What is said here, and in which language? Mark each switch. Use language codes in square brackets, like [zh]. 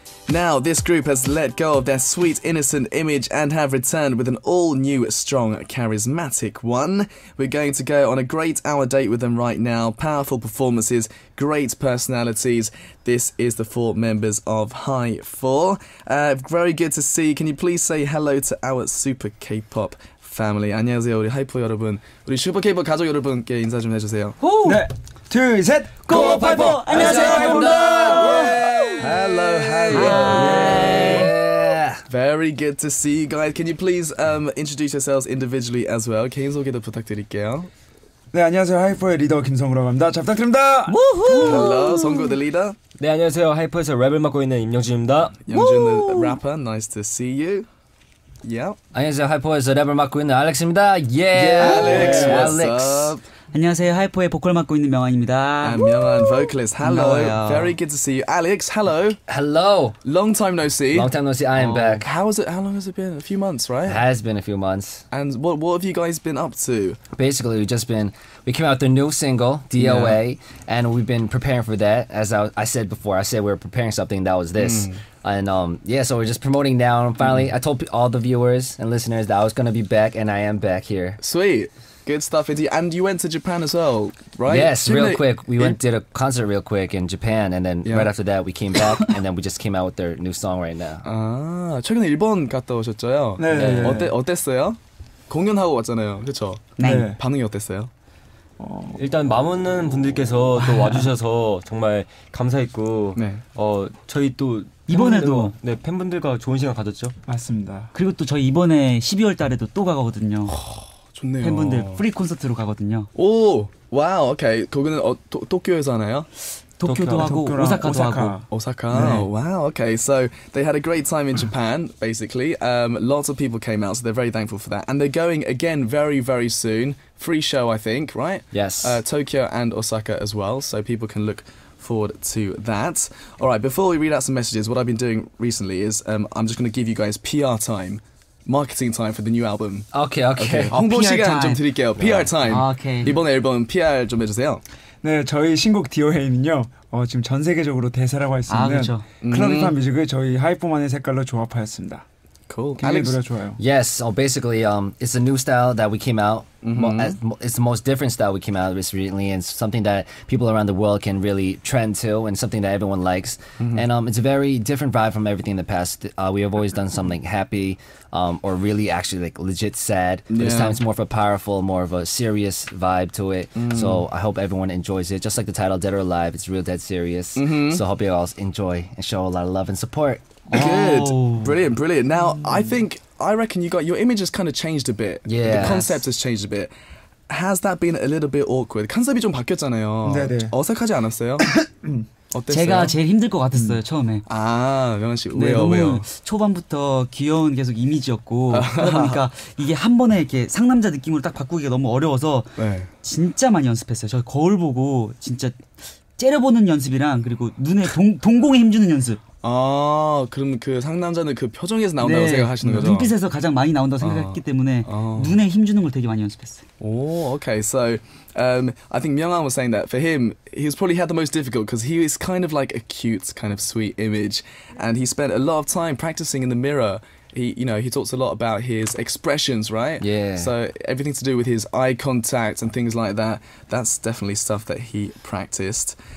[en] 나우 디스 그룹 has let go of their sweet innocent image and have returned with an all new strong charismatic one. We're going to go on a great hour date with them right now. Powerful performances, great personalities. This is the four members of High 4. Very good to see. Can you please say hello to our super K-pop family? [ko] 안녕하세요. 우리 하이포 여러분. 우리 슈퍼 K-pop 가족 여러분께 인사 좀 해 주세요. 네. 둘, 셋. 고 하이포. 안녕하세요. 하이포입니다. [en] Hello, hello. Yeah. Very good to see you guys. Can you please introduce yourselves individually as well? [ko] 개인 소개도 부탁드릴게요. 네, 안녕하세요. 하이퍼의 리더 김성우라고 합니다. 잘 부탁드립니다. [en] Woo-hoo. Hello, 성구 the leader. [ko] 네, 안녕하세요. 하이퍼에서 랩을 맡고 있는 임영준입니다. [en] 영준 the rapper. Nice to see you. Yeah. [ko] 안녕하세요. 하이퍼에서 랩을 맡고 있는 알렉스입니다. [en] Yeah. Yeah, Alex. Yeah. What's Alex. Up? [ko] 안녕하세요. 하이포의 보컬 맡고 있는 명환입니다. [en] And 명환, vocalist. Hello. Very good to see you. Alex, hello. Hello. Long time no see. Long time no see. I am back. How is it? How long has it been? A few months, right? It has been a few months. And what have you guys been up to? Basically, we've just been... We came out with a new single, DOA, yeah. and we've been preparing for that. As I said before, I said we were preparing something that was this. Mm. And yeah, so we're just promoting now. And finally, I told all the viewers and listeners that I was going to be back, and I am back here. Sweet. Good stuff, indeed. And you went to Japan as well, right? Yes, real quick. We went did a concert real quick in Japan, and then right after that, we came back, and then we just came out with their new song right now. [ko] 아, 최근에 일본 갔다 오셨죠? 네. 어땠어요? 공연하고 왔잖아요, 그렇죠? 네. 반응이 어땠어요? 일단 많은 분들께서 또 와주셔서 정말 감사했고, 네. 저희 또 이번에도 네 팬분들과 좋은 시간 가졌죠? 맞습니다. 그리고 또 저희 이번에 12월 달에도 또 가거든요. 좋네요. 팬분들 프리 콘서트로 가거든요. 오, 와우, 오케이. 거기는 도쿄에서 하나요? 도쿄도 하고 오사카도 오사카. 하고. 오사카. 네. 와우, 오케이. [en] So they had a great time in Japan, basically. Lots of people came out, so they're very thankful for that. And they're going again very, very soon. Free show, I think, right? Yes. Tokyo and Osaka as well, so people can look forward to that. All right. Before we read out some messages, what I've been doing recently is I'm just going to give you guys PR time. Marketing time for the new album. Okay, okay. okay. [ko] 홍보 PR 시간 [en] time. [ko] 좀 드릴게요. [en] PR time. Okay. [ko] 이번 앨범 PR 좀 해주세요. 네, 저희 신곡 DOA는요. 지금 전 세계적으로 대세라고 할 수 있는 그렇죠. 클래식한 뮤직을 저희 하이포만의 색깔로 조합하였습니다. [en] Cool. [ko] 굉장히 노래 좋아요. [en] Yes. Oh, basically, it's a new style that we came out. It's the most different style we came out with recently, and something that people around the world can really trend to, and something that everyone likes. Mm-hmm. And it's a very different vibe from everything in the past. We have always done something happy, or really actually like legit sad. Yeah. This time it's more of a powerful, more of a serious vibe to it. Mm-hmm. So I hope everyone enjoys it. Just like the title, Dead or Alive, it's real dead serious. Mm-hmm. So I hope you all enjoy and show a lot of love and support. Good. Oh. Brilliant, brilliant. Now, I reckon you got your image has kind of changed a bit. Yeah. The concept has changed a bit. Has that been a little bit awkward? [ko] 컨셉이 좀 바뀌었잖아요. 네네. 어색하지 않았어요? 어땠어요? 제가 제일 힘들 것 같았어요, 처음에. 아, 명한씨, 왜요, 왜요? 초반부터 귀여운 계속 이미지였고, 그러다 보니까 이게 한 번에 이렇게 상남자 느낌으로 딱 바꾸기가 너무 어려워서, 네. 진짜 많이 연습했어요. 저 거울 보고 진짜 째려보는 연습이랑, 그리고 눈에 동공에 힘주는 연습. 아, 그럼 그 상남자는 그 표정에서 나온다고 네. 생각하시는 거죠? 눈빛에서 가장 많이 나온다고 생각했기 때문에 눈에 힘주는 걸 되게 많이 연습했어요. 오, okay. [en] So, I think Myung-han was saying that for him, he was probably had the most difficult because he is kind of like a cute, kind of sweet image. And he spent a lot of time practicing in the mirror. He talks a lot about his expressions, right? Yeah. So everything to do with his eye contact and things like that, that's definitely stuff that he practiced.